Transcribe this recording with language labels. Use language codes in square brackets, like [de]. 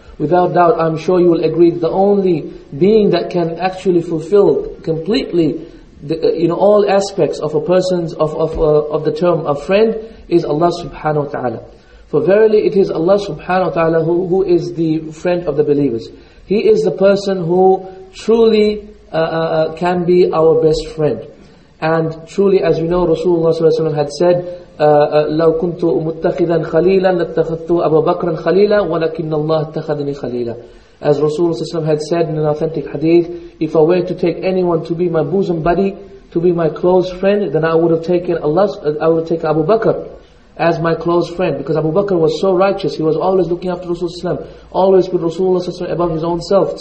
[en] Without doubt, I'm sure you will agree, the only being that can actually fulfill completely all aspects of a person's of the term a friend is Allah subhanahu wa ta'ala. For verily it is Allah subhanahu wa ta'ala who is the friend of the believers. He is the person who truly can be our best friend. And truly, as we know, Rasulullah sallallahu alaihi wasallam had said, [ar] لَوْ كُنْتُ مُتَّخِذًا خَلِيلًا لَاتَّخَذْتُ أَبَا بَكْرًا خَلِيلًا وَلَكِنَّ اللَّهَ اتَّخَذَنِي خَلِيلًا. [en] As Rasulullah ﷺ had said in an authentic hadith, if I were to take anyone to be my bosom buddy, to be my close friend, then I would have taken Abu Bakr as my close friend. Because Abu Bakr was so righteous, he was always looking after Rasulullah ﷺ, always put Rasulullah ﷺ above his own self.